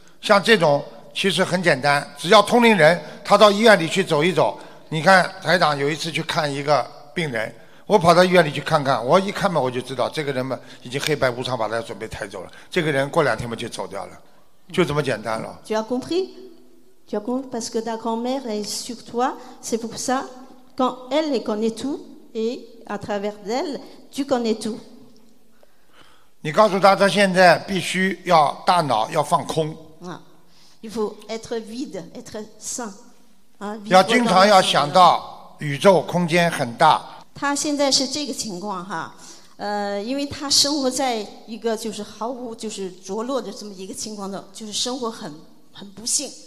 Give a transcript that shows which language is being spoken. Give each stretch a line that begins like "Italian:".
Chinese: 像这种其实很简单，只要通灵人他到医院里去走一走。你看台长有一次去看一个病人，我跑到医院里去看看，我一看嘛，我就知道这个人嘛已经黑白无常把他准备抬走了，这个人过两天嘛就走掉了，就这么简单了。
French: tu as compris? Tu as compris parce que ta grand-mère est sur toi, c'est pour ça. Quand elle connaît tout et à travers elle, tu connais tout.
Chinese: 你告诉他，他现在必须要大脑要放空。
French: Il faut être vide, être sain.
Chinese: 要经常要想到宇宙空间很大。他现在是这个情况哈，因为他生活在一个就是毫无就是着落的这么一个情况的，就是生活很不幸。